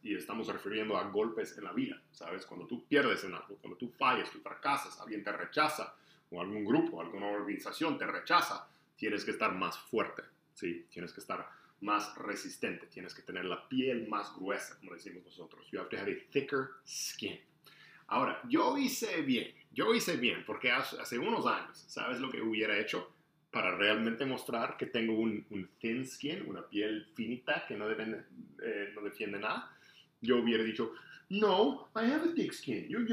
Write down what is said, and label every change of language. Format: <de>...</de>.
<es>Y estamos refiriendo a golpes en la vida, ¿sabes? Cuando tú pierdes en algo, cuando tú fallas, tú fracasas, alguien te rechaza, o algún grupo, alguna organización te rechaza, tienes que estar más fuerte, ¿sí? Tienes que estar más resistente, tienes que tener la piel más gruesa, como decimos nosotros.</es> <en>You have to have a thicker skin.</en> <es>Ahora, yo hice bien, porque hace unos años, ¿sabes lo que hubiera hecho? Para realmente mostrar que tengo un thin skin, una piel finita que no defiende nada, yo hubiera dicho, no,</es> <en>I have a thick skin.</en>